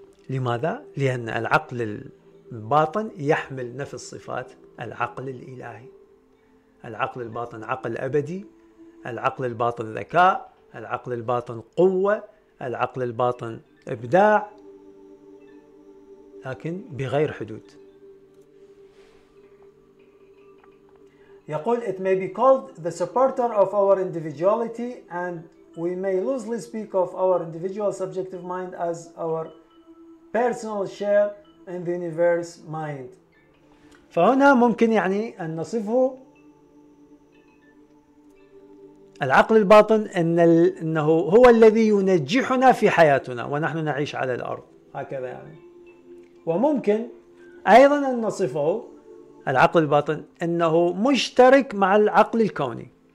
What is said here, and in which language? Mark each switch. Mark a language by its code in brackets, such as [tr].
[ar] لماذا؟ لأن العقل الباطن يحمل نفس صفات العقل الإلهي. العقل الباطن عقل أبدي، العقل الباطن ذكاء، العقل الباطن قوة، العقل الباطن إبداع، لكن بغير حدود. يقول [en] it may be called the supporter of our individuality and we may loosely speak of our individual subjective mind as our personal share in the universe mind. [ar] فهنا ممكن يعني أن نصفه العقل الباطن أنه هو الذي ينجحنا في حياتنا ونحن نعيش على الأرض هكذا يعني. وممكن أيضا أن نصفه العقل الباطن أنه مشترك مع العقل الكوني.